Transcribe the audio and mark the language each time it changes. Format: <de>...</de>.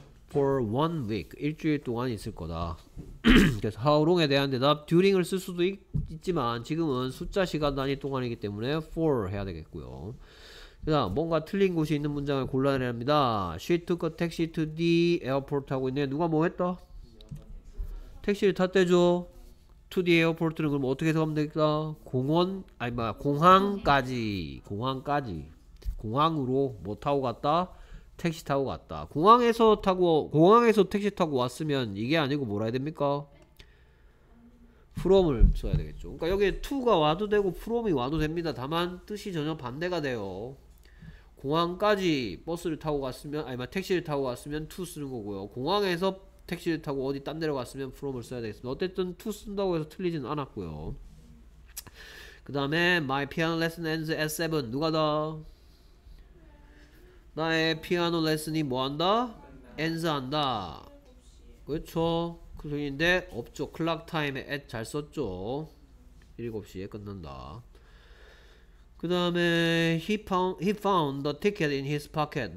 <ko>For one week, 일주일 동안 있을 거다. 그래서 how long에 대한 대답 during을 쓸 수도 있지만 지금은 숫자 시간 단위 동안이기 때문에 for 해야 되겠고요. 그다음 뭔가 틀린 곳이 있는 문장을 골라내야 합니다.</ko> <en>She took a taxi to the airport 하고 있네.</en> <ko>누가 뭐 했다? 택시를 탔대죠. To the airport는 그럼 어떻게 해석하면 되겠다? 공원? 아니 뭐야 공항까지. 공항까지. 공항으로 뭐 타고 갔다? 택시 타고 갔다. 공항에서 타고 공항에서 택시 타고 왔으면 이게 아니고 뭐라 해야 됩니까? from을 써야 되겠죠. 그러니까 여기에 to가 와도 되고 from이 와도 됩니다. 다만 뜻이 전혀 반대가 돼요. 공항까지 버스를 타고 갔으면 아니 뭐 택시를 타고 왔으면 to 쓰는 거고요. 공항에서 택시를 타고 어디 딴 데로 갔으면 from을 써야 되겠습니다. 어쨌든 to 쓴다고 해서 틀리지는 않았고요.</ko> <en>그 다음에 my piano lesson ends at 7. 누가 다?</en> <ko>나의 피아노 레슨이 뭐한다? 엔즈한다. 그렇죠. 그 중인데 없죠. 클락 타임에 at 잘 썼죠. 7시에 끝난다.</ko> <en>그 다음에 he found the ticket in his pocket.</en>